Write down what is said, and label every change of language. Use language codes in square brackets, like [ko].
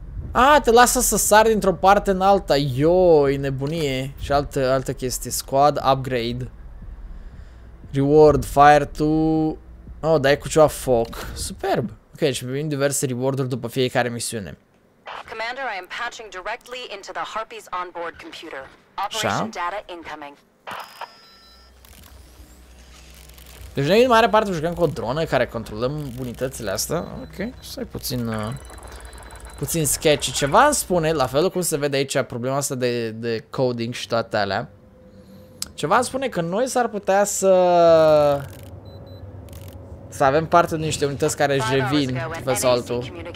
[ro] A, te lasă să sari dintr-o parte în alta. Yo, e nebunie. Și altă chestie. [en] Squad upgrade. Reward, fire to... [ro] Oh, dai cu ceva foc. Superb. Ok, și primim diverse reward-uri după fiecare misiune. [en] Commander, I am patching directly into the Harpy's onboard computer. Operation data incoming. [ro] Deci noi în mare parte jucăm cu o dronă care controlăm unitățile astea. Ok, stai puțin puțin sketchy. Ceva îmi spune, la fel cum se vede aici problema asta de coding și toate alea. Ceva îmi spune că noi s-ar putea să avem parte de niște unități care își revin pe saltul.